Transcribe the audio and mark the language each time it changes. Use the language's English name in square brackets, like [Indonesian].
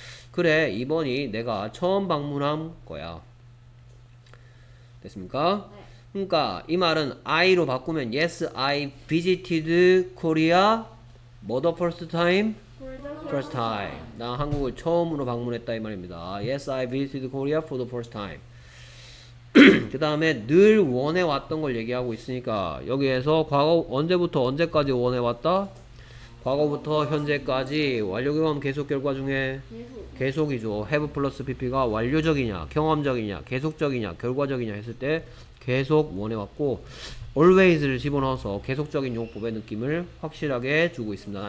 [Korean] 그래, 이번이 내가 처음 방문한 거야. 됐습니까? 네. 그러니까 이 말은 I로 바꾸면 [English] Yes, I visited Korea. What the first time? First time. [Korean] 나 한국을 처음으로 방문했다 이 말입니다. [English] Yes, I visited Korea for the first time. [Korean] 그 다음에 늘 원해왔던 걸 얘기하고 있으니까 여기에서 과거 언제부터 언제까지 원해왔다? 과거부터 현재까지 완료경험 계속 결과 중에 계속이죠. have 플러스 pp가 완료적이냐 경험적이냐 계속적이냐 결과적이냐 했을 때 계속 원해왔고 always를 집어넣어서 계속적인 용법의 느낌을 확실하게 주고 있습니다.